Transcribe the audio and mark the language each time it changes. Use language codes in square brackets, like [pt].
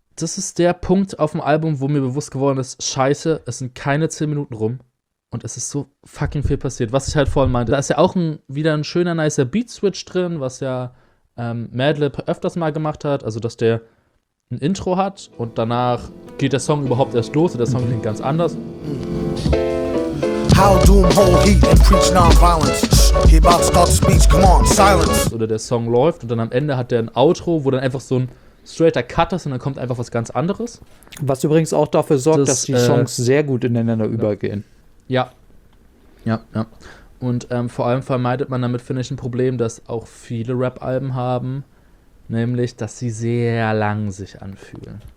[de] Das ist der Punkt auf dem Album, wo mir bewusst geworden ist, scheiße, es sind keine 10 Minuten rum und es ist so fucking viel passiert. Was ich halt vorhin meinte, da ist ja auch wieder ein schöner, nicer Beat-Switch drin, was ja Madlib öfters mal gemacht hat, also dass der ein Intro hat und danach geht der Song überhaupt erst los und der Song klingt ganz anders. [en] How doom hold heat and preach non-violence. He about to start speech, come on, silence. [de] Oder der Song läuft und dann am Ende hat der ein Outro, wo dann einfach so ein straighter Cut ist und dann kommt einfach was ganz anderes. Was übrigens auch dafür sorgt, dass die Songs sehr gut ineinander übergehen. Ja. Ja, ja. Und vor allem vermeidet man damit, finde ich, ein Problem, das auch viele Rap-Alben haben, nämlich, dass sie sehr lang sich anfühlen.